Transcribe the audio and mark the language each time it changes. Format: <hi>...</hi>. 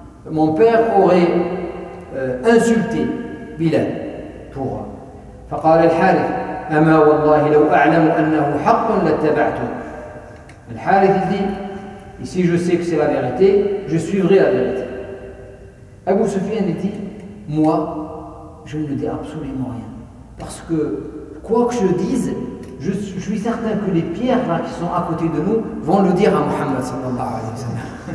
<fr>Mon père aurait insulté Bilal pour.</fr> <ar>فقال الحارث أما والله لو أعلم أنه حق لاتبعته.</ar> <fr>الحارث dit, si je sais que c'est la vérité, je suivrai la vérité. Abu Sufyan dit, moi, je ne dis absolument rien. Parce que quoi que je dise, je suis certain que les pierres là, qui sont à côté de nous vont le dire à Muhammad sallallahu alayhi wa sallam.</fr>